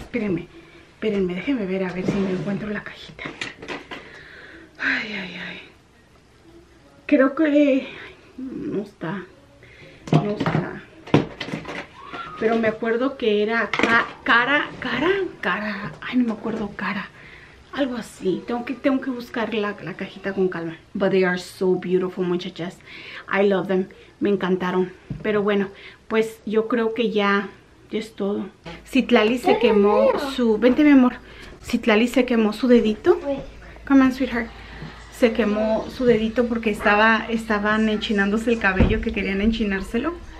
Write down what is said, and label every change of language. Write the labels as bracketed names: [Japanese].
[Spanish] Espérenme, déjenme ver a ver si me encuentro la cajita. Ay, ay, ay. Creo que... No está. Pero me acuerdo que era cara. Ay, no me acuerdo, cara. Algo así. Tengo que buscar la cajita con calma. [English] But they are so beautiful, muchachas. I love them. [Spanish] Me encantaron. Pero bueno, pues yo creo que ya es todo. Citlali se quemó su... Vente, mi amor. Citlali se quemó su dedito. [English] Come on, sweetheart. [Spanish] Se quemó su dedito porque estaban enchinándose el cabello, que querían enchinárselo.